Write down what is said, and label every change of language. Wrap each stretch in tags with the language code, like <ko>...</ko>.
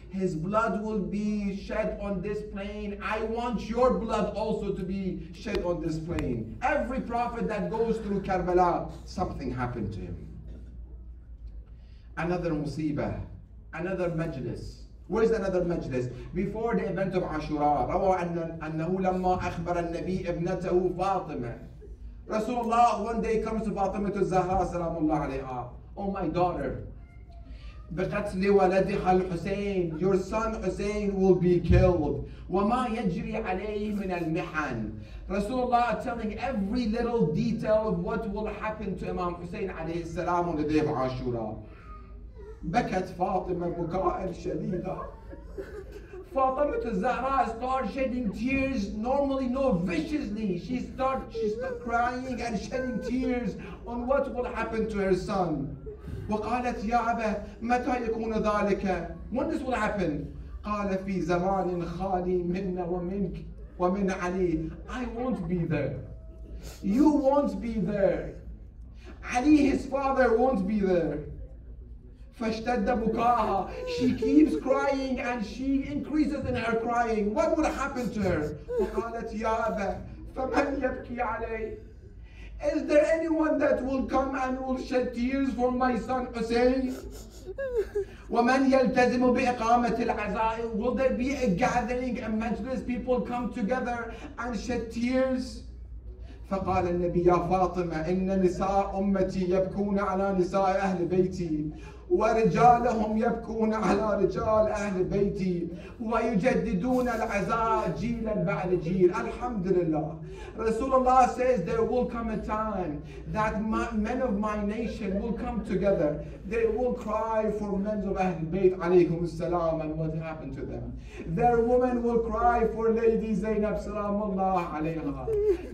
<en>His blood will be shed on this plain. I want your blood also to be shed on this plain. Every prophet that goes through Karbala, something happened to him. Another musibah. Another majlis. Where is another majlis? Before the event of Ashura.</en> <ar>روى أنه لما أخبر النبي ابنته فاطمة.</ar> <en>Rasulullah one day comes to Fatima to Zahra salamullah alayha. Oh my daughter,</en> <ar>بقتل ولدها الحسين,</ar> <en>your son Hussein will be killed.</en> <ar>وما يجري عليه من المحن.</ar> <en>Rasulullah telling every little detail of what will happen to Imam Hussein alayhi salam on the day of Ashura.</en> <ar>بكت فاطمة بكاء شديدا.</ar> <en>Fatima to Zahra start shedding tears, normally, no, viciously. She start crying and shedding tears on what will happen to her son.</en> <ar>وقالت يا أبا متى يكون ذلك?</ar> <en>When this will happen?</en> <ar>قال في زمان خالي منا ومنك ومن علي.</ar> <en>I won't be there. You won't be there. Ali, his father, won't be there.</en> <ar>فَاشْتَدَّ بُكَاهَا.</ar> <en>She keeps crying and she increases in her crying. What would happen to her?</en> <ar>وَقَالَتْ يَا أَبَى فَمَنْ يَبْكِي عَلَيْهِ.</ar> <en>Is there anyone that will come and will shed tears for my son Hussein?</en> <ar>وَمَنْ يَلْتَزِمُ بِإِقَامَةِ الْعَزَاءِ.</ar> <en>Will there be a gathering, a majlis, people come together and shed tears?</en> <ar>فقال النبي يا فاطمة إن نساء أمتي يبكون على نساء أهل بيتي ورجالهم يبكون على رجال أهل بيتي ويجددون العزاء جيلا بعد جيل. الحمد لله.</ar> <en>Rasulullah says there will come a time that men of my nation will come together. They will cry for men of Ahl Bayt alaykum as-salam and what happened to them. Their women will cry for Lady Zainab salamullah alayha.</en>